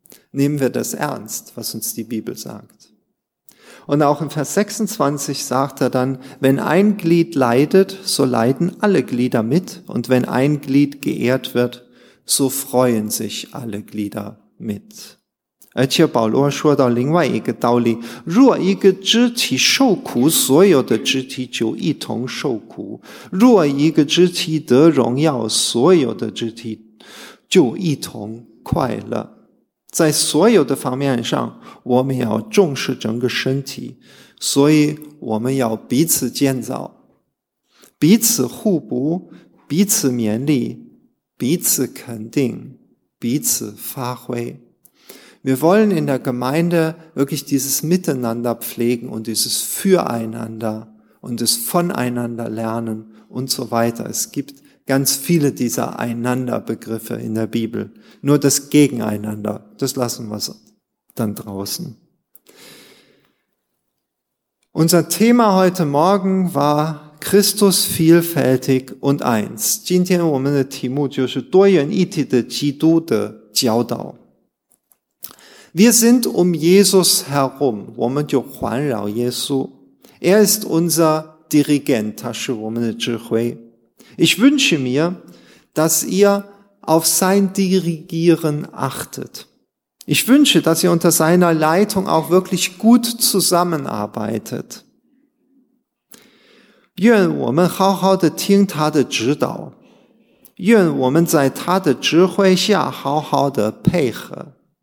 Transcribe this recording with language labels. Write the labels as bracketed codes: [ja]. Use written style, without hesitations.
[de] Nehmen wir das ernst, was uns die Bibel sagt. Und auch in Vers 26 sagt er dann, wenn ein Glied leidet, so leiden alle Glieder mit, und wenn ein Glied geehrt wird, so freuen sich alle Glieder mit. [zh] 而且保罗说到另外一个道理，若一个肢体受苦，所有的肢体就一同受苦，若一个肢体得荣耀，所有的肢体就一同快乐。在所有的方面上，我们要重视整个身体，所以我们要彼此建造，彼此互补，彼此勉励，彼此肯定，彼此发挥。 [de] Wir wollen in der Gemeinde wirklich dieses Miteinander pflegen und dieses Füreinander und das Voneinander lernen und so weiter. Es gibt ganz viele dieser Einanderbegriffe in der Bibel. Nur das Gegeneinander, das lassen wir dann draußen. Unser Thema heute Morgen war Christus vielfältig und eins. [zh] 今天我们的题目就是多元一体的基督的教导。 [de] Wir sind um Jesus herum. [zh] 我们就环绕耶稣。 [de] Er ist unser Dirigent. [zh] 他是我们的指挥。 [de] Ich wünsche mir, dass ihr auf sein Dirigieren achtet. Ich wünsche, dass ihr unter seiner Leitung auch wirklich gut zusammenarbeitet. [zh] 愿我们好好地听他的指导, 愿我们在他的指挥下好好地配合,